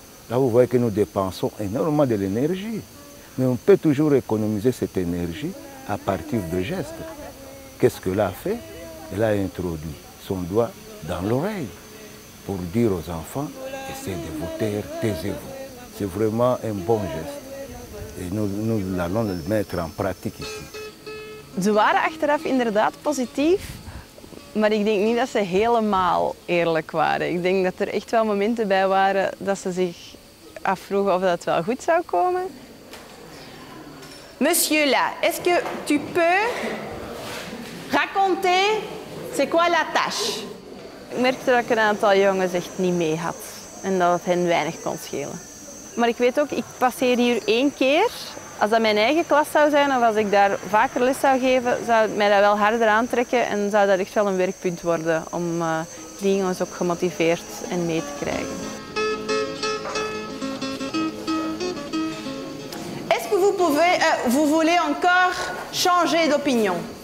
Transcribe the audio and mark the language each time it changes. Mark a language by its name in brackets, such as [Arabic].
[French] Là, vous voyez que nous dépensons énormément de l'énergie. Mais on peut toujours économiser cette énergie à partir de gestes. Qu'est-ce que l'a fait? Elle a introduit son doigt dans l'oreille pour dire aux enfants, essayez de vous taire, taisez-vous. C'est vraiment un bon geste. Et nous allons le mettre en pratique ici. [Dutch] Ze waren achteraf inderdaad positief, maar ik denk niet dat ze helemaal eerlijk waren. Ik denk dat er echt wel momenten bij waren dat ze zich afvroegen of dat wel goed zou komen. [French] Monsieur là, est-ce que tu peux raconter c'est quoi la tâche? [Dutch] Ik merkte dat ik een aantal jongens echt niet mee had en dat het hen weinig kon schelen. Maar ik weet ook, ik passeer hier één keer. Als dat mijn eigen klas zou zijn of als ik daar vaker les zou geven, zou het mij dat wel harder aantrekken en zou dat echt wel een werkpunt worden om die jongens ook gemotiveerd en mee te krijgen. [French] Est-ce que vous pouvez, vous voulez encore changer d'opinion?